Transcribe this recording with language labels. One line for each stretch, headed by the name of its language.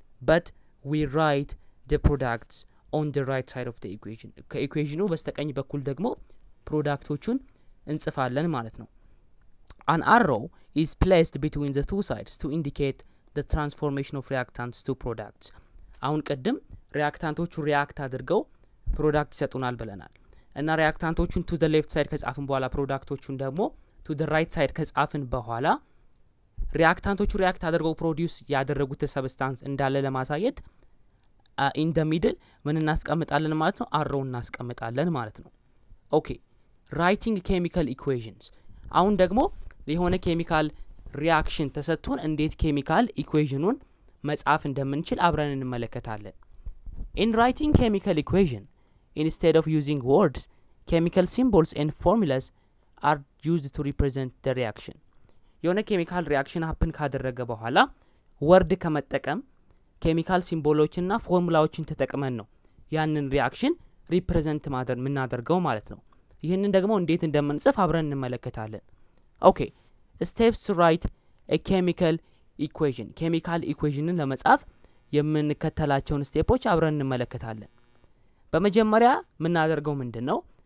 English: But we write the products on the right side of the equation.
Amharic: ከኢኩዌሽኑ በስተቀኝ በኩል ደግሞ ፕሮዳክቶቹን እንጽፋለን ማለት ነው።
English: An arrow is placed between the two sides to indicate the transformation of reactants to products.
Amharic: አሁን ቀደም ሪአክታንቶቹ ሪአክት አድርገው ፕሮዳክት ይሰጡናል ብለናል። እና ሪአክታንቶቹን
English: to the left side
Amharic: ከጻፍን በኋላ ፕሮዳክቶቹን ደግሞ
English: to the right side
Amharic: ከጻፍን በኋላ ሪአክታንቶቹ ሪአክት አድርገው ፕሮዲዩስ ያደረጉት ሰብስታንስ እንዳለ ለማሳየት
English: in the middle
Amharic: ምን እናስቀምጣለን ማለት ነው? አሮው እናስቀምጣለን ማለት ነው። ኦኬ
English: writing chemical equations.
Amharic: አሁን ደግሞ የሆነ ኬሚካል ሪአክሽን ተሰጥቶን እንዴት ኬሚካል ኢኩዌሽኑን መጻፍ እንደምንችል አብረን እንመለከታለን።
English: In writing chemical equation, instead of using words, chemical symbols and formulas are used to represent the reaction.
Amharic: የሆነ ኬሚካል ሪአክሽን አፕን ካደረገ በኋላ ወርድ ከመጠቀም ኬሚካል ሲምቦሎችንና ፎርሙላዎችን ተጠቅመን ነው ያንን ሪአክሽን ሪፕሬዘንት ማድረግ ምናደርገው ማለት ነው። ይህንን ደግሞ እንዴት እንደምንጽፍ አብረን እንመለከታለን። ኦኬ ስቴፕስ ቱ ራይት አ ኬሚካል ኢኩዌሽን። ኬሚካል ኢኩዌሽንን ለመጻፍ የምንከተላቸውን ስቴፖች አብረን እንመለከታለን። በመጀመሪያ ምናደርገው ምንድነው?